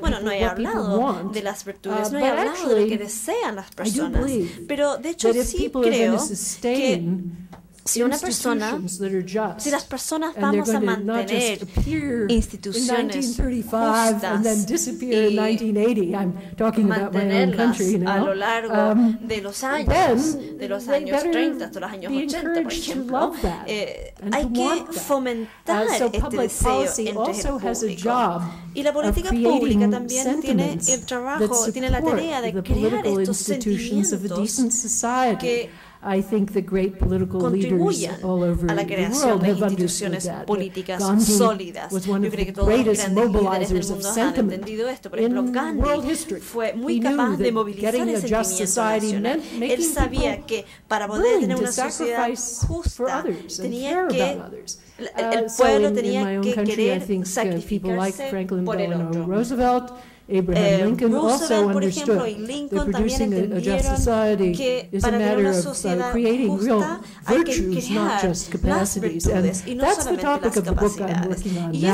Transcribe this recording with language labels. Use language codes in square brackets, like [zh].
[es] Bueno, no he hablado de las virtudes, no he hablado de lo que desean las personas, pero de hecho sí creo que si las personas vamos a mantener instituciones justas y mantenerlas a lo largo de los años, de los años 30 hasta los años 80, por ejemplo, hay que fomentar este deseo entre el público. Y la política pública también tiene el trabajo, tiene la tarea de crear estos sentimientos que [en] I think the great political leaders all over the world have understood that. Gandhi was one of the greatest mobilizers of sentiment in world history. He knew that getting a just society meant making people willing to sacrifice for others and care about others. [es] El pueblo tenía que querer sacrificarse por el otro. [en] Abraham Lincoln also understood that producing a just society is a matter of creating real virtues, not just capacities. And that's the topic of the book I'm working on now.